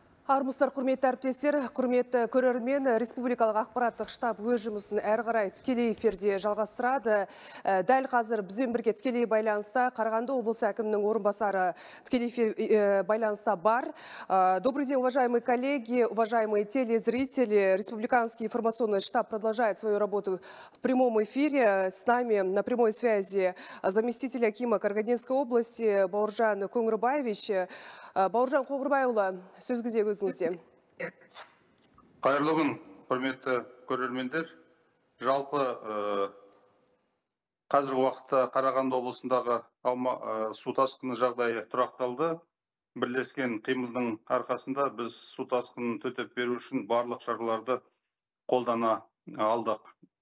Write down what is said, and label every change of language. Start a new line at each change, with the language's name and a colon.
Kazakh: Армысыздар, құрметті әріптестер, құрметті көрермен, республикалық ақпараттық штаб өз жұмысын әрі қарай тікелей эфирде жалғастырады. Дәл қазір бізбен бірге тікелей байланыста Қарағанды облысы әкімінің орынбасары тікелей эфир байланыста бар.
Russian: Добрый день, уважаемые коллеги, уважаемые телезрители. Республиканский информационный штаб продолжает свою работу в прямом эфире. С нами на прямой связи заместитель акима Карагандинской области Бауыржан Көңірбаевич.
Kazakh: Бауыржан Көңірбаевұлы, сөзіңізде. Қайырлы күн, құрметті көрермендер. Жалпы қазіргі уақытта Қарағанды облысындағы су тасқыны жағдайы тұрақталды. Бірлескен қимылдың арқасында біз су тасқынын төтеп беру үшін барлық шараларды қолдана алдық.